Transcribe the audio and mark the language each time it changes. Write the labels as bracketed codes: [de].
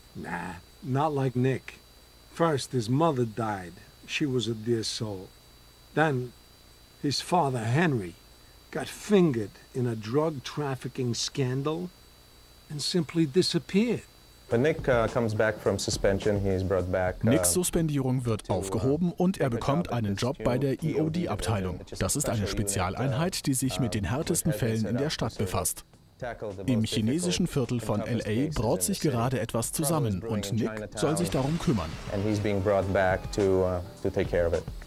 [en] Nah, not like Nick. First, his mother died. She was a dear soul. Then, his father, Henry, got fingered in a drug trafficking scandal and simply disappeared. But Nick comes back from suspension. He's brought back. [de] Nicks Suspendierung wird aufgehoben und er bekommt einen Job bei der EOD-Abteilung. Das ist eine Spezialeinheit, die sich mit den härtesten Fällen in der Stadt befasst. Im chinesischen Viertel von L.A. braut sich gerade etwas zusammen und Nick soll sich darum kümmern. [en] And he's being brought back to take care of it.